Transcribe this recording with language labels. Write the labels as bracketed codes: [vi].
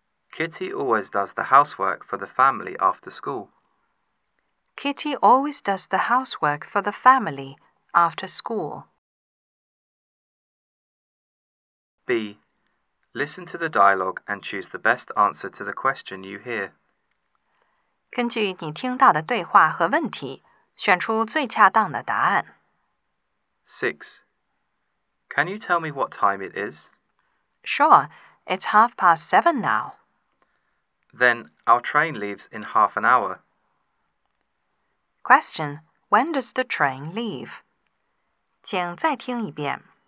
[en] Kitty always does the housework for the family after school. Kitty always does the housework for the family after school. B. Listen to the dialogue and choose the best answer to the question you hear. [zh] 根据你听到的对话和问题，选出最恰当的答案。 [en] 6. Can you tell me what time it is? Sure, it's 7:30 now. Then our train leaves in 30 minutes. Question, when does the train leave? [zh] 请再听一遍。